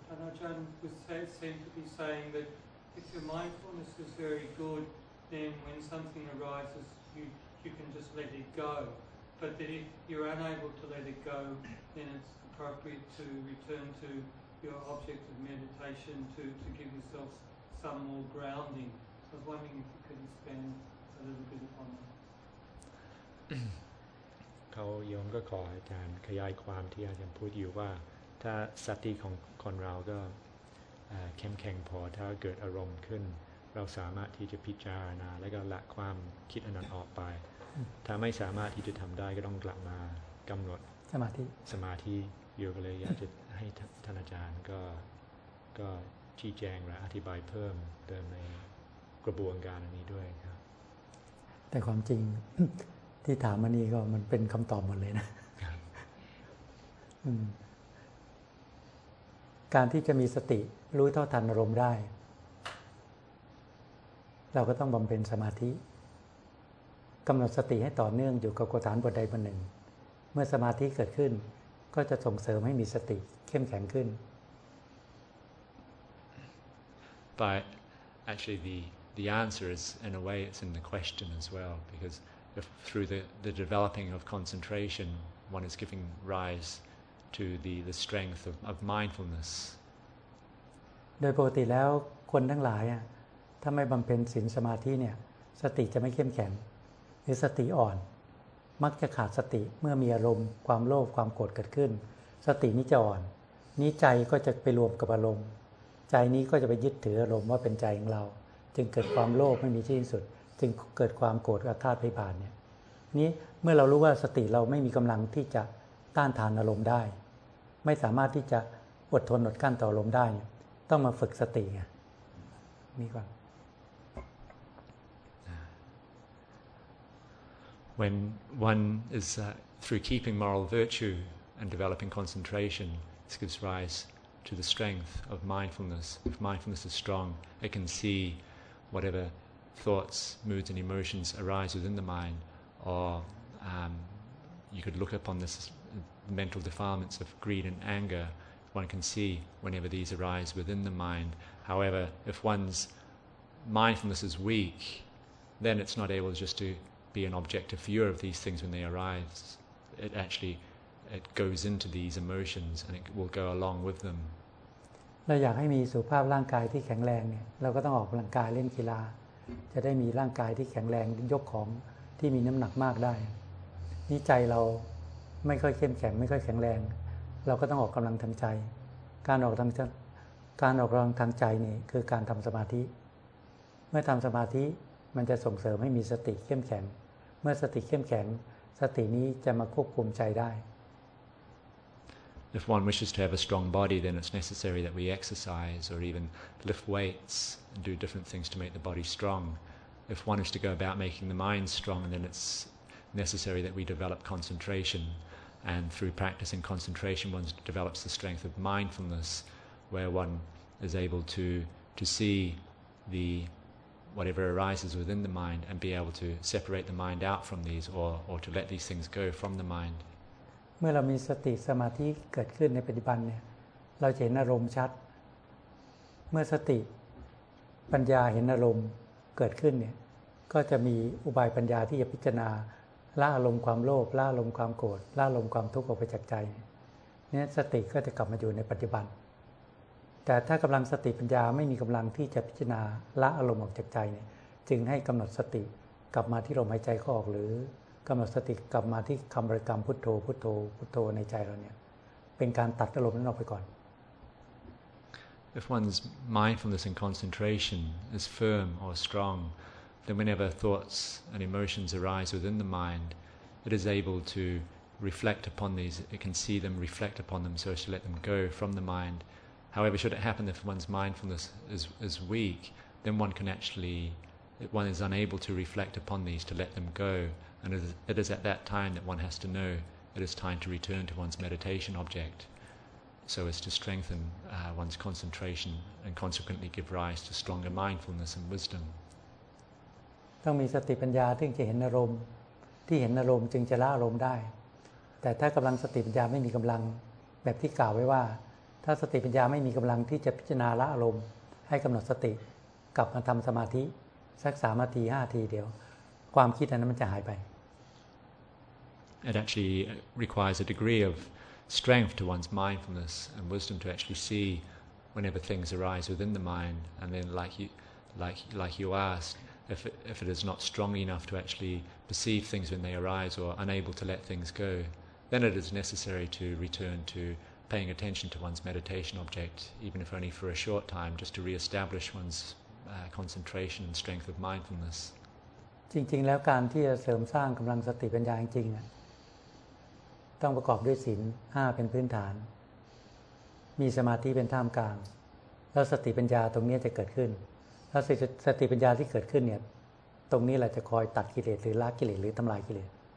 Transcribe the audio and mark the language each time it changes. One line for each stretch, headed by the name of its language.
English: Ajahn seemed to be saying that if your mindfulness is very good, then when something arises, you can just let it go. But that if you're unable to let it go, then it's appropriate to return to your object of meditation to give yourself some more grounding. I was wondering if you could expand a little bit upon that.
Thai: เขาโยมก็ขออาจารย์ขยายความที่อาจารย์พูดอยู่ว่าถ้าสติของคนเราก็เข้มแข็งพอถ้าเกิดอารมณ์ขึ้นเราสามารถที่จะพิจารณาแล้วก็ละความคิดอันนั้นออกไปถ้าไม่สามารถที่จะทำได้ก็ต้องกลับมากำหนด สมาธิ โยมก็เลยอยากจะให้ท่านอาจารย์ก็ชี้แจงและอธิบายเพิ่มเติมในกระบวนการอันนี้ด้วยครับ แต่ความจริงที่ถามมานี่ก็มันเป็นคำตอบหมดเลยนะการที่จะมีสติรู้เท่าทันอารมณ์ได้เราก็ต้องบำเพ็ญสมาธิกำหนดสติให้ต่อเนื่องอยู่กับกฐานบทใดบทหนึ่งเมื่อสมาธิเกิดขึ้นก็จะส่งเสริมให้มีสติเข้มแข็งขึ้น
English: But actually the answer is in a way it's in the question as well becauseIf through the developing of concentration, one is giving rise to the strength of mindfulness.
Thai: โดยปกติแล้วคนทั้งหลายอ่ะถ้าไม่บำเพ็ญศีลสมาธิเนี่ยสติจะไม่เข้มแข็งหรือสติอ่อนมักจะขาดสติเมื่อมีอารมณ์ความโลภความโกรธเกิดขึ้นสตินี้จะอ่อนนี้ใจก็จะไปรวมกับอารมณ์ใจนี้ก็จะไปยึดถืออารมณ์ว่าเป็นใจของเราจึงเกิดความโลภไม่มีที่สุดจึงเกิดความโกรธอาฆาตพยาบาทเนี่ย นี้เมื่อเรารู้ว่าสติเราไม่มีกำลังที่จะต้านทานอารมณ์ได้ไม่สามารถที่จะอดทนอดกั้นต่ออารมณ์ได้ต้องมาฝึกสติไงมีความ
English: When one is through keeping moral virtue and developing concentration this gives rise to the strength of mindfulness if mindfulness is strong it can see whateverThoughts, moods, and emotions arise within the mind, or you could look upon this mental defilements of greed and anger. One can see whenever these arise within the mind. However, if one's mindfulness is weak, then it's not able just to be an objective viewer of these things when they arise. It goes into these emotions and it will go along with them.
Thai: เราอยากให้มีสุขภาพร่างกายที่แข็งแรงเนี่ยเราก็ต้องออกกำลังกายเล่นกีฬาจะได้มีร่างกายที่แข็งแรงยกของที่มีน้ำหนักมากได้นี่ใจเราไม่ค่อยเข้มแข็งไม่ค่อยแข็งแรงเราก็ต้องออกกำลังทางใจการออกกำลังทางใจนี่คือการทำสมาธิเมื่อทำสมาธิมันจะส่งเสริมให้มีสติเข้มแข็งเมื่อสติเข้มแข็งสตินี้จะมาควบคุมใจได้
English: If one wishes to have a strong body then it's necessary that we exercise or even lift weightsdo different things to make the body strong. If one is to go about making the mind strong, then it's necessary that we develop concentration. And through practicing concentration, one develops the strength of mindfulness, where one is able to see the whatever arises within the mind and be able to separate the mind out from these or to let these things go from the mind.
Thai: เมื่อเรามีสติสมาธิเกิดขึ้นในปัจจุบันเนี่ยเราจะเห็นอารมณ์ชัดเมื่อสติปัญญาเห็นอารมณ์เกิดขึ้นเนี่ยก็จะมีอุบายปัญญาที่จะพิจารณาละอารมณ์ความโลภละอารมณ์ความโกรธละอารมณ์ความทุกข์ออกไปจากใจเนี่ยสติก็จะกลับมาอยู่ในปัจจุบัน แต่ถ้ากำลังสติปัญญาไม่มีกำลังที่จะพิจารณาละอารมณ์ออกจากใจเนี่ยจึงให้กำหนดสติกลับมาที่ลมหายใจเข้าออกหรือกำหนดสติกลับมาที่คำบริกรรมพุทโธพุทโธพุทโธในใจเราเนี่ยเป็นการตัดอารมณ์นั้นออกไปก่อน
English: if one's mindfulness and concentration is firm or strong, then whenever thoughts and emotions arise within the mind, it is able to reflect upon these, it can see them, reflect upon them, so as to let them go from the mind. However, should it happen if one's mindfulness is weak, then one can actually, one is unable to reflect upon these, to let them go. And it is at that time that one has to know it is time to return to one's meditation object, so as to strengthen one's concentration and consequently give rise to stronger mindfulness and wisdom.
Thai: ต้องมีสติปัญญาถึงจะเห็นอารมณ์ที่เห็นอารมณ์จึงจะละอารมณ์ได้แต่ถ้ากำลังสติปัญญาไม่มีกำลังแบบที่กล่าวไว้ว่าถ้าสติปัญญาไม่มีกำลังที่จะพิจารณาละอารมณ์ให้กำหนดสติกลับมาทำสมาธิสัก3นาที5นาทีเดียวความคิดอันนั้นมันจะหายไป
English: It actually requires a degree of strength to one's mindfulness and wisdom to actually see whenever things arise within the mind, and then like you asked, if it is not strong enough to actually perceive things when they arise or unable to let things go, then it is necessary to return to paying attention to one's meditation object, even if only for a short time, just to re-establish one'sconcentration and strength of mindfulness.
Thai: จริงๆแล้วการที่จะเสริมสร้างกำลังสติปัญญาจริงๆอ่ะต้องประกอบด้วยศีล5เป็นพื้นฐานมีสมาธิเป็นท่ามกลางแล้วสติปัญญาตรงนี้จะเกิดขึ้นแล้วสติปัญญาที่เกิดขึ้นเนี่ยตรงนี้แหละจะคอยตัดกิเลสหรือละกิเลสหรือทำลายกิเลส